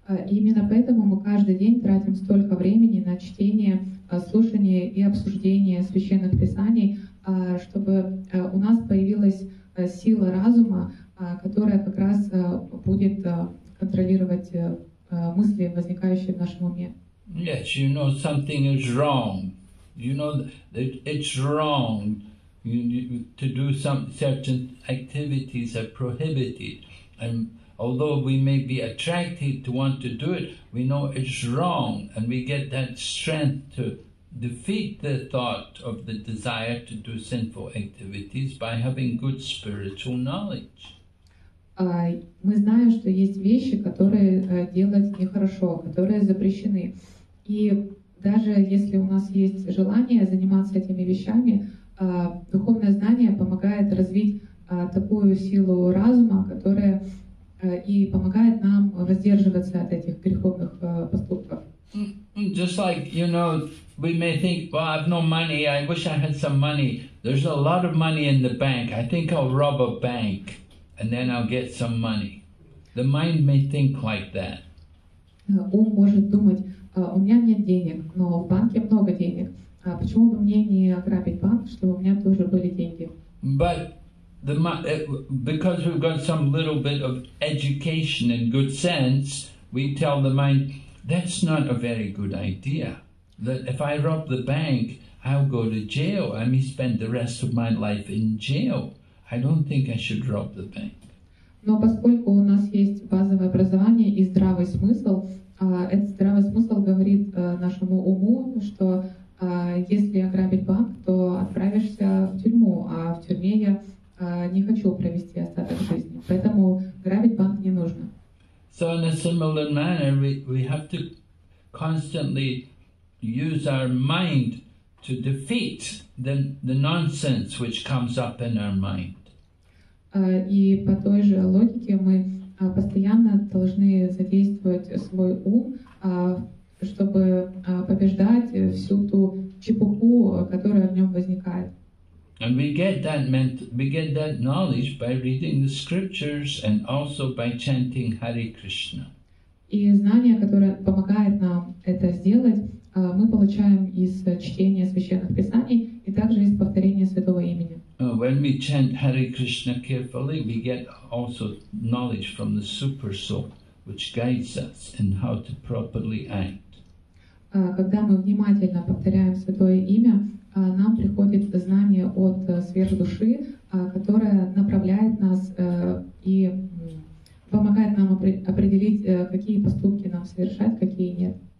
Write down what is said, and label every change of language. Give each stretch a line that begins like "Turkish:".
Russian: Именно поэтому мы каждый день тратим столько времени на чтение, слушание и обсуждение священных писаний, чтобы у нас появилась сила разума, которая как раз будет контролировать мысли, возникающие в нашем уме.
English: Yes, you know something is wrong. You know that it's wrong to do some certain activities are prohibited. And although we may be attracted to want to do it, we know it's wrong, and we get that strength to defeat the thought of the desire to do sinful activities by having good spiritual knowledge.
Russian: Мы знаем, что есть вещи, которые делать нехорошо, которые запрещены. И даже если у нас есть желание заниматься этими вещами, духовное знание помогает развить такую силу разума, которая и помогает нам воздерживаться от этих греховных поступков.
English: Just like, you know, we may think, well, I have no money, I wish I had some money. There's a lot of money in the bank. I think I'll rob a bank and then I'll get some money. The mind may think like that.
Russian: Ум может думать, у меня нет денег, но в банке много денег. Почему бы мне не ограбить банк, чтобы у меня тоже были деньги?
English: But because we've got some little bit of education and good sense, we tell the mind, that's not a very good idea. That if I rob the bank, I'll go to jail. I may spend the rest of my life in jail. I don't think I should rob the bank.
Russian: Но поскольку у нас есть базовое образование и здравый смысл, этот здравый смысл говорит нашему уму, что если ограбить банк, то отправишься в тюрьму, а в тюрьме я не хочу провести остаток жизни. Поэтому грабить банк не нужно.
English: So in a similar manner, we have to constantly use our mind to defeat the nonsense which comes up in our mind.
Russian: И по той же логике мы постоянно должны задействовать свой ум, чтобы побеждать всю ту чепуху, которая в нем возникает.
English: And we get that knowledge by reading the scriptures and also by chanting Hare Krishna.
Russian: И знание, которое помогает нам это сделать, мы получаем из чтения священных писаний и также из повторения святого имени.
English: When we chant Hare Krishna carefully, we get also knowledge from the super soul, which guides us in how to properly act.
Russian: Когда мы внимательно повторяем святое имя, нам приходит знание от сверхдуши, которое направляет нас и помогает нам определить, какие поступки нам совершать, какие нет.